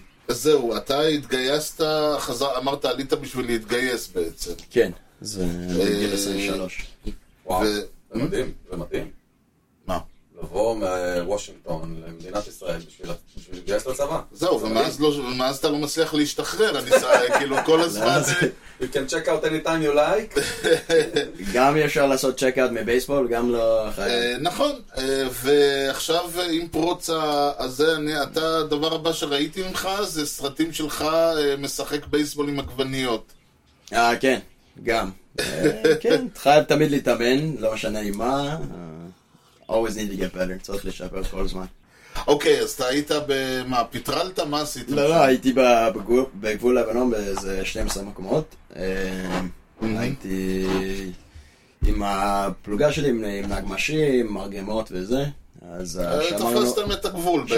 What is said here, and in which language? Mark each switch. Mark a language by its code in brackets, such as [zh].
[he] זהו, אתה התגייסת, חזר, אמרת, עלית בשביל להתגייס בעצם. כן, זה גיל 23. וואו, זה מדהים, זה מדהים. מה? לבוא מוושינגטון למדינת ישראל בשביל להתגייס לצבא. זהו, ומאז אתה לא מצליח להשתחרר, אני צריך, כאילו, כל הזמן זה... [en] You can check out anytime you like. [he] גם אפשר לעשות check out מבייסבול, גם לא חייב. נכון, ועכשיו עם פרוץ הזה, אתה, הדבר הבא שראיתי ממך, זה סרטים שלך משחק בייסבול עם עגבניות. כן, גם. כן, חייב תמיד להתאמן, לא משנה עם מה. [en] Always need to get better, [he] צריך לשפר כל הזמן. אוקיי, אז אתה היית במה, פטרלת? מה עשית? לא, לא, הייתי בגבול לבנון באיזה 12 מקומות. הייתי עם הפלוגה שלי, עם נגמשים, מרגמות וזה. אז תפסתם את הגבול בעצם.